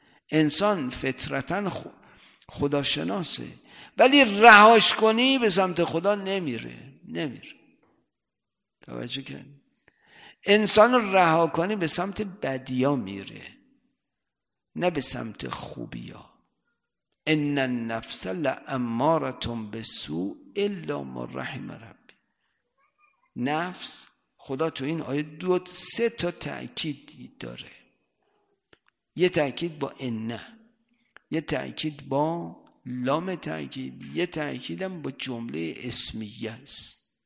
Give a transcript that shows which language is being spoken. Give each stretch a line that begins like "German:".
Persian: انسان فطرتاً خداشناسه، ولی رهاش کنی به سمت خدا نمیره، نمیره. توجه کن، انسان رها کنی به سمت بدیا میره نه به سمت خوبیا.
Arabic: ان النفس لأمارة بالسوء الا ما رحم ربي.
Persian: نفس، خدا تو این آیه دو سه تا تأکید داره، یه تأکید با انه، یه تأکید با لام تأکید، یه تأکیدم با جمله اسمیه است.